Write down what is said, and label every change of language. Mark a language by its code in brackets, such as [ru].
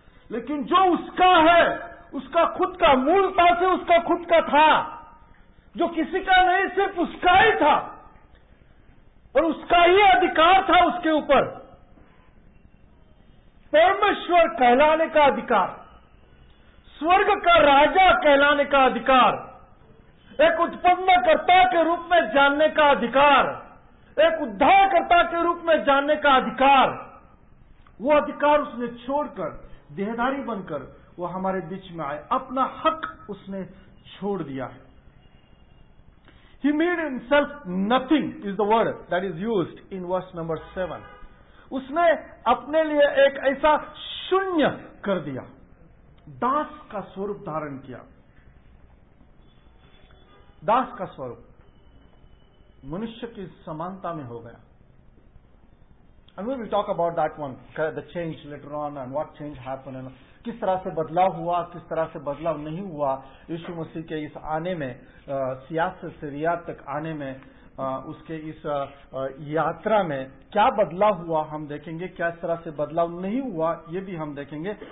[hi] लेकिन जो उसका है, उसका खुद का, मूलता से उसका खुद का था, जो किसी का नहीं सिर्फ उसका ही था और उसका ही अधिकार था उसके ऊपर, परमेश्वर कहलाने का अधिकार, स्वर्ग का राजा कहलाने का अधिकार, एक उत्पन्नकर्ता के रूप में जानने का अधिकार, एक उद्धारकर्ता के रूप में जानने का अधिकार, वो अधिकार उसने छोड़कर देहधारी बनकर वो हमारे बीच में आए, अपना हक उसने छोड़ दिया है। [en] He made himself nothing is the word that is used in verse number 7. [hi] उसने अपने लिए एक ऐसा शून्य कर दिया, दास का स्वरूप धारण किया, दास का स्वरूप मनुष्य की समानता में हो गया। [en] And we will talk about that one, the change later on and what change happened, and [hi] किस तरह से बदलाव हुआ, किस तरह से बदलाव नहीं हुआ यीशु मसीह के इस आने में, सियास से रियाद तक आने में, उसके इस यात्रा में क्या बदलाव हुआ हम देखेंगे, क्या इस तरह से बदलाव नहीं हुआ ये भी हम देखेंगे।